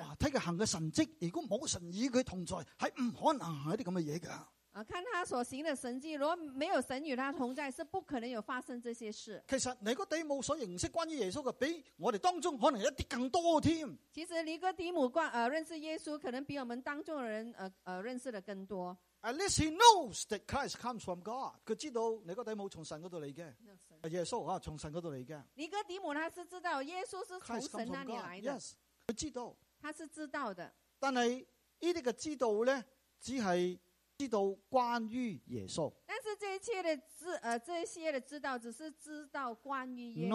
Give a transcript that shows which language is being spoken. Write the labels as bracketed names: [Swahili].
[Chinese] 哇，看他行的神迹，如果没有神与他同在，是不可能行这些事的。看他所行的神迹，如果没有神与他同在，是不可能有发生这些事。其实尼哥底母所认识关于耶稣的，比我们当中可能一点更多。其实尼哥底母认识耶稣，可能比我们当中的人认识的更多。 [English] At least he knows that Christ comes from God. [Chinese] 他知道尼哥底母从神那里来的。耶稣啊，从神那里来的。尼哥底母他是知道耶稣是从神那里来的。 Yes， 他知道。他是知道的。但是这些的知道呢，只是知道关于耶稣。但是这一切的这些的知道，只是知道关于耶稣。